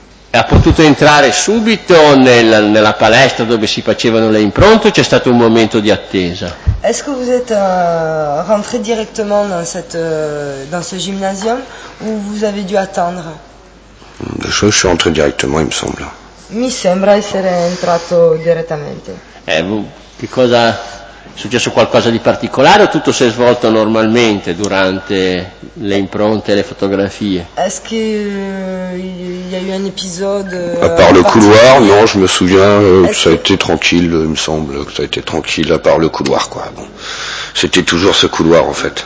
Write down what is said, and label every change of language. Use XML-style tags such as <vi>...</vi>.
<it>Ha potuto entrare subito nella palestra dove si facevano le impronte o c'è stato un momento di attesa?</it> <fr>Est-ce que vous êtes rentré directement dans ce gymnasium ou vous avez dû attendre? Je suis entré directement, il me semble.</fr> <it>Mi sembra essere entrato direttamente. Che cosa è successo, qualcosa di particolare o tutto si è svolto normalmente durante le impronte e le fotografie?</it> <fr>Est-ce que il y a eu un épisode à part le couloir? Non, je me souviens, ça a été tranquille, il me semble, ça a été tranquille à part le couloir, quoi. Bon. C'était toujours ce couloir en fait.</fr>